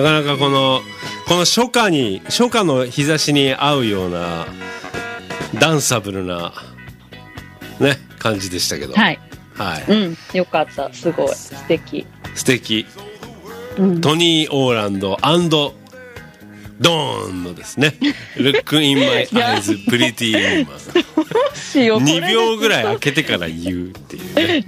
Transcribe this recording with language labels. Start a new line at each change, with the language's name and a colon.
Japanese: なかなかこの初夏に、初夏の日差しに合うようなダンサブルなね感じでしたけど。はい。はい。うん、良かった。すごい素敵。素敵、うん。トニー・オーランド&ドーンのですね。
English: Look in my eyes, pretty woman.
Japanese: どうしよう。 2秒ぐらい開けてから言うっていう、ね。